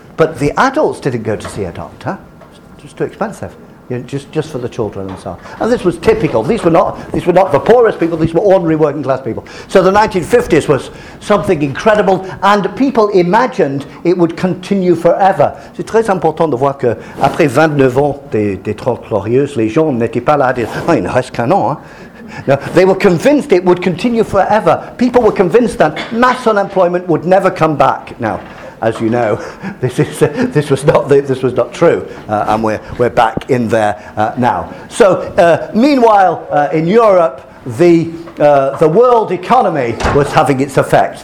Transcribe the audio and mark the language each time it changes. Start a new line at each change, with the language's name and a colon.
English: But the adults didn't go to see a doctor. It was too expensive. You know, just for the children and so on. And this was typical. These were not the poorest people. These were ordinary working class people. So the 1950s was something incredible, and people imagined it would continue forever.
French: C'est très important de voir que après 29 ans des 30 glorieuses, les gens n'étaient pas là. Il ne reste qu'un an.
English: No, they were convinced it would continue forever. People were convinced that mass unemployment would never come back. Now, as you know, this was not true, and we're back in there now. So, meanwhile, in Europe, the world economy was having its effect.